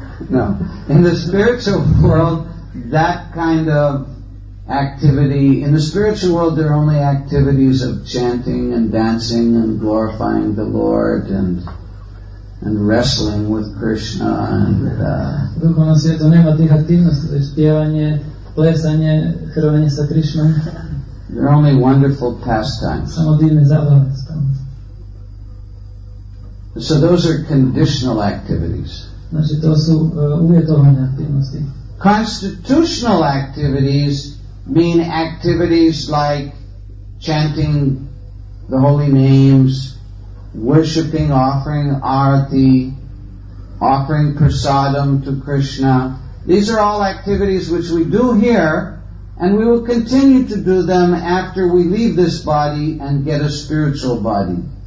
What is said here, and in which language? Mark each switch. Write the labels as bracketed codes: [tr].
[en] No. In the spiritual world, that kind of activity, in the spiritual world, there are only activities of chanting and dancing and glorifying the Lord and wrestling with Krishna. [hr] Duhovnom svijetu nema tih aktivnosti, spjevanje, plesanje, hrvanje sa Krishnom. [en] There are only wonderful pastimes. [hr] Samo divne zabave. [en] So those are conditional activities. [hr] Znači, to su uvjetovane aktivnosti. [en] Constitutional activities mean activities like chanting the holy names, worshipping, offering arati, offering prasadam to Krishna. These are all activities which we do here, and we will continue to do them after we leave this body and get a spiritual body.